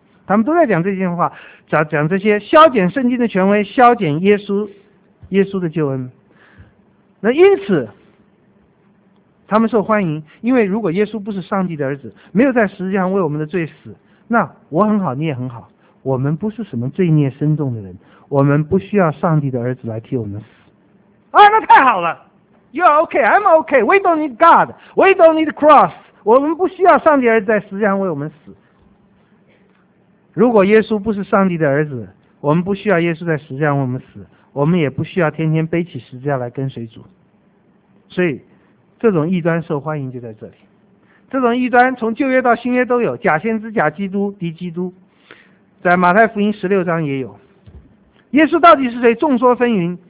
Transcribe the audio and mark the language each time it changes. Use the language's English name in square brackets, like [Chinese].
[Chinese] 他们都在讲这些话，讲这些消减圣经的权威，消减耶稣的救恩。那因此他们受欢迎，因为如果耶稣不是上帝的儿子，没有在十字架上为我们的罪死，那我很好，你也很好，我们不是什么罪孽深重的人，我们不需要上帝的儿子来替我们死。啊，那太好了， [English] You are OK, I'm OK, We don't need God, We don't need cross, [Chinese] 我们不需要上帝的儿子在十字架上为我们死。如果耶稣不是上帝的儿子，我们不需要耶稣在十字架为我们死，我们也不需要天天背起十字架来跟随主。所以这种异端受欢迎就在这里。这种异端从旧约到新约都有，假先知、假基督、敌基督，在马太福音十六章也有。耶稣到底是谁？众说纷纭。